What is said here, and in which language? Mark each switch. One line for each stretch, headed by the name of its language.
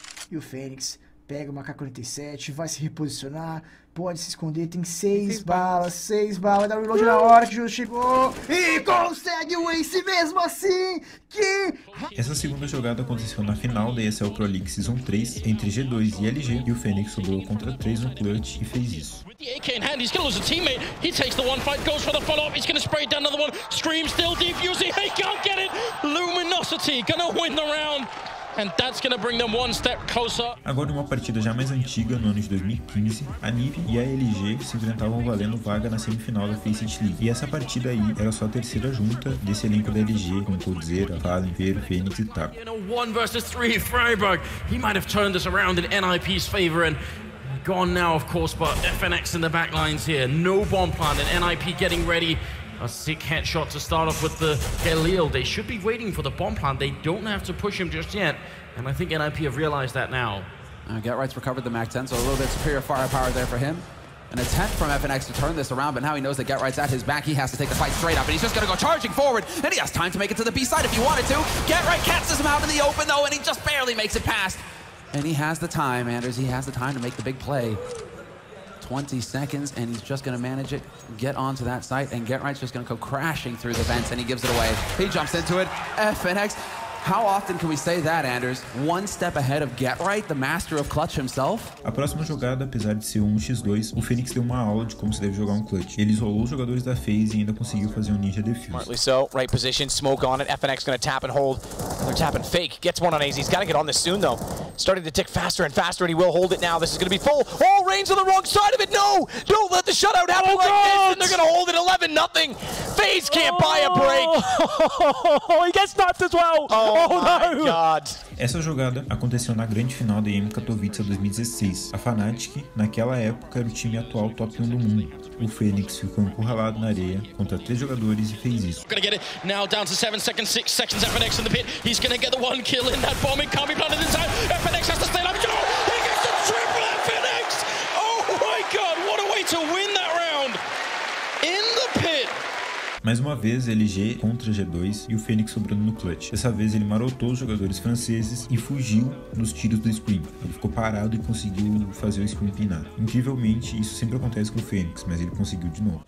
Portuguese: E o Fênix pega uma AK-47, vai se reposicionar, pode se esconder, tem 6 balas, dá o reload na hora que o jogo chegou e consegue o ace mesmo assim! Que... Essa segunda jogada aconteceu na final da ESL Pro League Season 3 entre G2 e LG e o Fênix sobrou contra 3 no clutch e fez isso.
English: AK in hand, he's gonna lose a teammate. He takes the one fight, goes for the follow-up, he's gonna spray down another one. Scream still deep, using, he can't get it! Luminosity gonna win the round! And that's gonna bring them one step closer.
Portuguese: Agora, numa partida já mais antiga, no ano de 2015, a NIP e a LG se enfrentavam valendo vaga na semifinal da Faceit League. E essa partida aí era só a terceira junta desse elenco da LG, com Coldzera, Valen, Vero, Fênix e Taco.
English: In a 1v3, Freiburg, he might have turned this around in NIP's favor and gone now, of course, but FNX in the back lines here. No bomb plant, and NIP getting ready. A sick headshot to start off with the Galil. They should be waiting for the bomb plant. They don't have to push him just yet. And I think NIP have realized that now. Getright's recovered the MAC-10, so a little bit superior firepower there for him. An attempt from FNX to turn this around, but now he knows that Getright's at his back. He has to take the fight straight up, and he's just gonna go charging forward. And he has time to make it to the B side if he wanted to. Getright catches him out in the open, though, and he just barely makes it past. And he has the time, Anders. He has the time to make the big play. 20 seconds, and he's just gonna manage it, get onto that site, and Getright's just gonna go crashing through the vents, and he gives it away. He jumps into it. FNX, how often can we say that, Anders? One step ahead of Getright, the master of clutch himself?
Portuguese: A próxima jogada, apesar de ser um 1x2, o Fênix deu uma aula de como se deve jogar um clutch. Ele isolou os jogadores da FaZe e ainda conseguiu fazer um ninja defuse.
English: Smartly so, right position, smoke on it, FNX gonna tap and hold. They're tapping fake, gets one on AZ, he's gotta get on this soon, though. Starting to tick faster and faster, and he will hold it now. This is gonna be full. All range on the wrong side of it. No! Don't let the shutout happen like this! And they're gonna hold it 11-0. FaZe can't buy a break! He gets knocked as well! Oh my god!
Portuguese: Essa jogada aconteceu na grande final da EM Katowice 2016. A Fnatic, naquela época, era o time atual top 1 do mundo. O Fênix ficou encurralado na areia contra 3 jogadores e fez isso.
English: Gonna get it now down to 7 seconds, 6 seconds, FNX in the pit. He's gonna get the one kill in that bomb, it can't be planted inside. FNX has to stay alive. No! He gets the triple FNX! Oh my god, what a way to win that round! In the pit!
Portuguese: Mais uma vez, LG contra G2 e o Fênix sobrando no clutch. Dessa vez, ele marotou os jogadores franceses e fugiu nos tiros do Scream. Ele ficou parado e conseguiu fazer o Scream pinar. Incrivelmente, isso sempre acontece com o Fênix, mas ele conseguiu de novo.